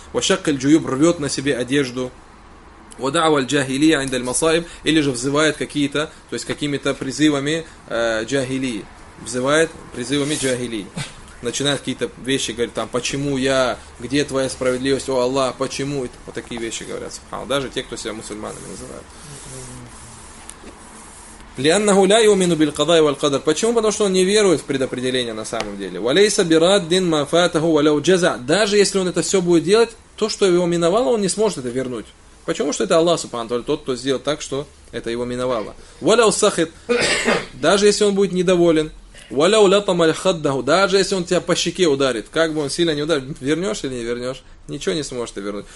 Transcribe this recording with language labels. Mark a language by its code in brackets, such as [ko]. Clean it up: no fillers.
[ar] Вашаккаль джуюб, [ru] рвет на себе одежду. [ar] Вадааваль джахилия индаль масаиб, [ru] или же взывает какие-то, то есть какими-то призывами джахилии. Взывает призывами джахилии. Начинает какие-то вещи, говорит, там, почему я, где твоя справедливость, о Аллах, почему? И вот такие вещи говорят, субханаллах. Даже те, кто себя мусульманами называют. [ar] لأنه لا يؤمن بالقضاء والقدر. [ru] Почему? Потому что он не верует в предопределение на самом деле. [ar] وليس براد ما فاته ولو جزع. [ru] Даже если он это все будет делать, то, что его миновало, он не сможет это вернуть. Почему? Что это Аллах Субхану ва Тааля, тот, кто сделал так, что это его миновало. [ar] ولو سخط. [ru] Даже если он будет недоволен. [ar] ولو لطم الخده. [ru] Даже если он тебя по щеке ударит, как бы он сильно не ударил, вернешь или не вернешь, ничего не сможешь ты вернуть.